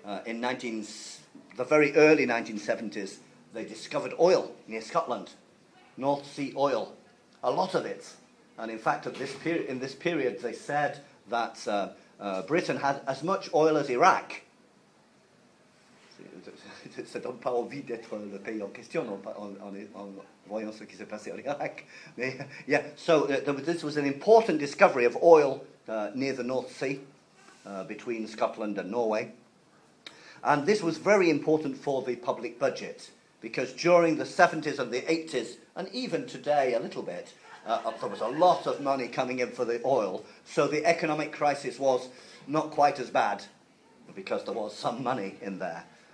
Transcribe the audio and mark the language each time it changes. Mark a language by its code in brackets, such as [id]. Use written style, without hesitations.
[en] In the very early 1970s, they discovered oil near Scotland, North Sea oil. a lot of it. And in fact, at this in this period, they said that Britain had as much oil as Iraq. [fr] Ça donne pas envie d'être le pays en question en voyant ce qui s'est passé en Irak. [en] Mais, yeah, so this was an important discovery of oil near the North Sea, between Scotland and Norway. And this was very important for the public budget, because during the 70s and the 80s, and even today a little bit, there was a lot of money coming in for the oil, so the economic crisis was not quite as bad, because there was some money in there.